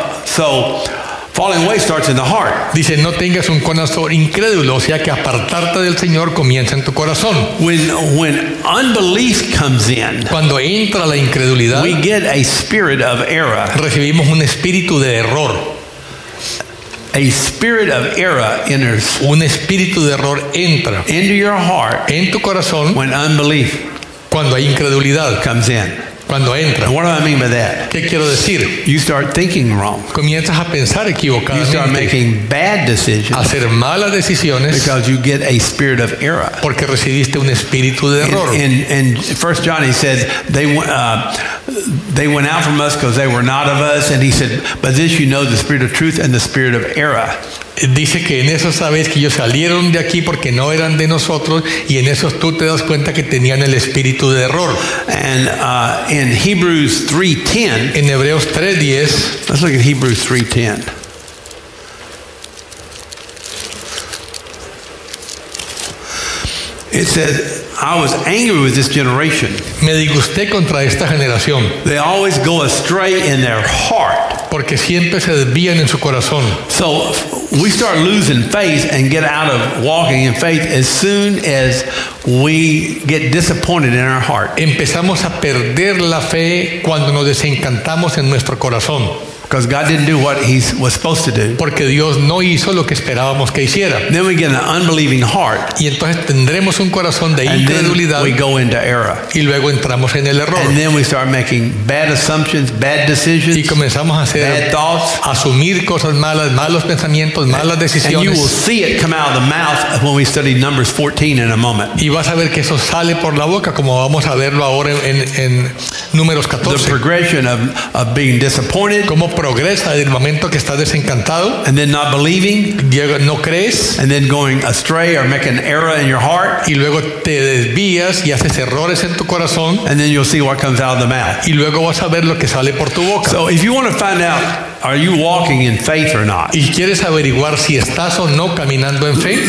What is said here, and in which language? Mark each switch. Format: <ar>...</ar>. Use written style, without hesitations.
<en>So falling away starts in the heart.</en> <es>Dice, no tengas un corazón incrédulo, o sea que apartarte del Señor comienza en tu corazón.</es> <en>When unbelief comes in,</en> <es>cuando entra la incredulidad,</es> <en>we get a spirit of error.</en> <es>Recibimos un espíritu de error.</es> <en>A spirit of error enters.</en> <es>Un espíritu de error entra.</es> <en>Into your heart,</en> <es>en tu corazón,</es> <en>when unbelief,</en> <es>cuando hay incredulidad,</es> <en>comes in.</en> <es>Cuando entra.</es> <en>What do I mean by that?</en> <es>¿Qué quiero decir?</es> <en>You start thinking wrong.</en> <es>Comienzas a pensar equivocadamente.</es> <en>You start making bad decisions.</en> <es>Hacer malas decisiones.</es> <en>Because you get a spirit of error.</en> <es>Porque recibiste un espíritu de error.</es> <en>In 1 John, he says they went out from us because they were not of us. And he said, but this you know, the spirit of truth and the spirit of error.</en> <es>Dice que en eso sabes que ellos salieron de aquí porque no eran de nosotros, y en eso tú te das cuenta que tenían el espíritu de error.</es> <en>And in Hebrews 3:10,</en> <es>en Hebreos 3:10,</es> <en>let's look at Hebrews 3:10. It says, I was angry with this generation.</en> <es>Me disgusté contra esta generación.</es> <en>They always go astray in their heart.</en> <es>Porque siempre se desvían en su corazón.</es> <en>So we start losing faith and get out of walking in faith as soon as we get disappointed in our heart.</en> <es>Empezamos a perder la fe cuando nos desencantamos en nuestro corazón.</es> <en>Because God didn't do what He was supposed to do.</en> <es>Porque Dios no hizo lo que esperábamos que hiciera.</es> <en>Then we get an unbelieving heart.</en> <es>Y entonces tendremos un corazón de incredulidad.</es> <en>And then we go into error.</en> <es>Y luego entramos en el error.</es> <en>And then we start making bad assumptions, bad decisions.</en> <es>Y comenzamos a hacer</es> <en>bad thoughts,</en> <es>asumir cosas malas, malos pensamientos, malas decisiones.</es> <en>And you will see it come out of the mouth when we study Numbers 14 in a moment.</en> <es>Y vas a ver que eso sale por la boca, como vamos a verlo ahora en Números 14.</es> <en>The progression of being disappointed.</en> <es>Como progresa del momento que estás desencantado,</es> <en>and then not believing,</en> <es>no crees,</es> <en>and then going astray or making error in your heart,</en> <es>y luego te desvías y haces errores en tu corazón,</es> <en>and then you'll see what comes out of the mouth,</en> <es>y luego vas a ver lo que sale por tu boca.</es> <en>So if you want to find out, are you walking in faith or not?</en> <es>Y quieres averiguar si estás o no caminando en fe.</es>